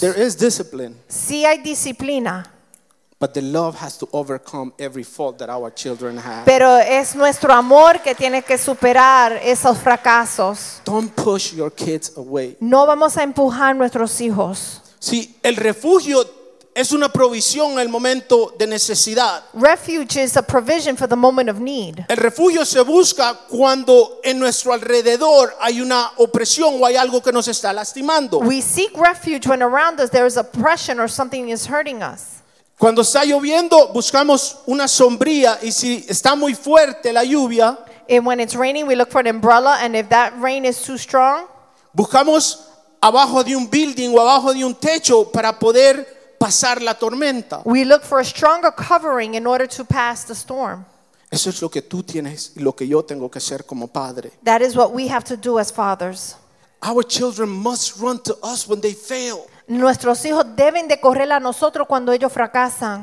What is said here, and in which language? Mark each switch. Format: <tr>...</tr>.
<en>There is discipline.</en> <es>Sí hay disciplina.</es> <en>But the love has to overcome every fault that our children have.</en> <es>Pero es nuestro amor que tiene que superar esos fracasos.</es> <en>Don't push your kids away.</en> <es>No vamos a empujar nuestros hijos. Sí, el refugio es una provisión en el momento de necesidad.</es> <en>Refuge is a provision for the moment of need.</en> <es>El refugio se busca cuando en nuestro alrededor hay una opresión o hay algo que nos está lastimando.</es> <en>We seek refuge when around us there is oppression or something is hurting us.</en> <es>Cuando está lloviendo, buscamos una sombrilla, y si está muy fuerte la lluvia,</es> <en>and when it's raining, we look for an umbrella, and if that rain is too strong,</en> <es>buscamos abajo de un building o abajo de un techo para poder pasar la tormenta.</es> <en>We look for a stronger covering in order to pass the storm.</en> <es>Eso es lo que tú tienes y lo que yo tengo que hacer como padre.</es> <en>That is what we have to do as fathers. Our children must run to us when they fail.</en> <es>Nuestros hijos deben de correr a nosotros cuando ellos fracasan.</es>